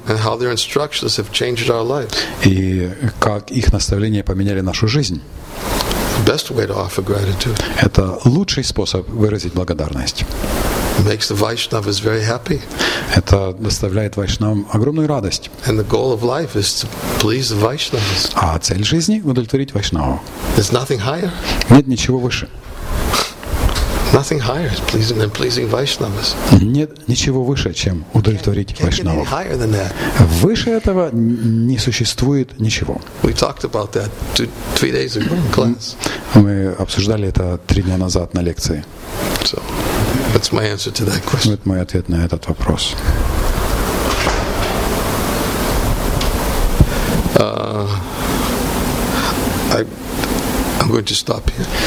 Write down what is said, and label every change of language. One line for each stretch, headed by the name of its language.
English: And how their instructions have changed our lives.
Russian: И как их наставления поменяли нашу жизнь?
English: Best way to offer gratitude.
Russian: Это лучший способ выразить благодарность.
English: Makes the Vaishnavas very happy.
Russian: Это доставляет вайшнавам огромную радость.
English: And the goal of life is to please the Vaishnavas.
Russian: А цель жизни — удовлетворить вайшнаву.
English: There's nothing higher.
Russian: Нет ничего выше.
English: Nothing higher than pleasing Vaishnavas.
Russian: Нет ничего выше, чем удовлетворить вайшнавов.
English: Higher than that.
Russian: Выше этого не существует ничего.
English: We talked about that three days ago in class.
Russian: Мы обсуждали это три дня назад на лекции.
English: So. That's my answer to that question.
Russian: Вот мой ответ на этот вопрос.
English: I'm going to stop here.